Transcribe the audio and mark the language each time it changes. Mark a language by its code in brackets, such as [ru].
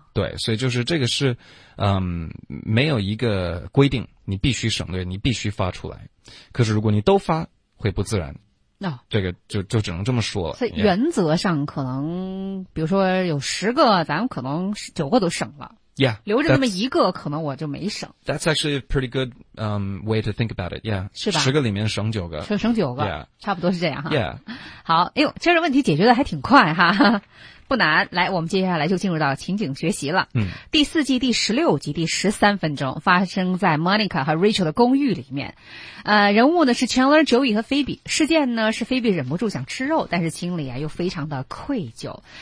[zh] 对，所以就是这个是没有一个规定，你必须省略，你必须发出来。可是如果你都发，会不自然。那、哦、这个就只能这么说了。所以原则上可能、yeah. 比如说有十个咱们可能九个都省了。 [en] Yeah. [zh] 留着那么一个可能我就没省。 [en] That's actually a pretty good, way to think about it. Yeah. [zh] 是吧，十个里面省九个。省九个。 [en] Yeah. [zh] 差不多是这样哈。 [en] Yeah. [zh] 好，哎呦，这个问题解决的还挺快哈。不难，来，我们接下来就进入到情景学习了。嗯。第四季第十六集第十三分钟发生在 Monica 和 Rachel 的公寓里面。人物呢是 Chandler, Joey 和 Phoebe。事件呢是 Phoebe 忍不住想吃肉，但是心里啊又非常的愧疚。